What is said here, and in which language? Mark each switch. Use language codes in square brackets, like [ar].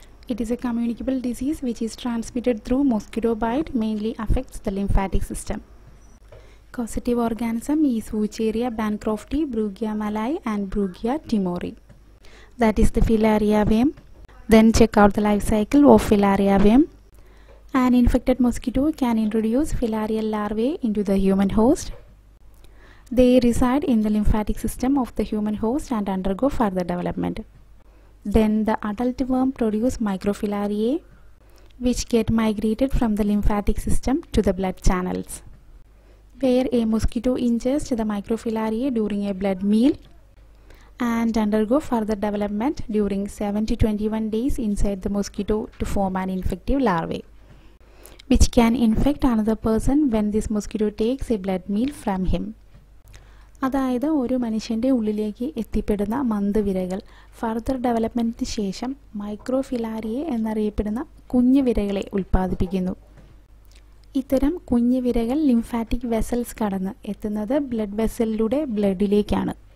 [en] It is a communicable disease which is transmitted through mosquito bite, mainly affects the lymphatic system. Causative organism is Wuchereria bancrofti, Brugia malayi and Brugia timori, that is the filaria worm. Then check out the life cycle of filaria worm. An infected mosquito can introduce filarial larvae into the human host. They reside in the lymphatic system of the human host and undergo further development. Then the adult worm produce microfilariae, which get migrated from the lymphatic system to the blood channels. Where a mosquito ingest the microfilariae during a blood meal and undergo further development during 7 to 21 days inside the mosquito to form an infective larvae, which can infect another person when this mosquito takes a blood meal from him. [ml] അതായത് ഒരു മനുഷ്യൻ്റെ ഉള്ളിലേക്ക് എത്തിപ്പെടുന്ന മന്ത്വിരകൾ further ഡെവലപ്മെൻറ്റിന് ശേഷം മൈക്രോഫിലാരിയെ എന്നറിയപ്പെടുന്ന കുഞ്ഞു വിരകളെ ഉൽപ്പാദിപ്പിക്കുന്നു. ഇത്തരം കുഞ്ഞു വിരകൾ lymphatic vessels കടന്ന് എത്തുന്നത് ബ്ലഡ് വെസലിലൂടെ ബ്ലഡിലേക്കാണ്.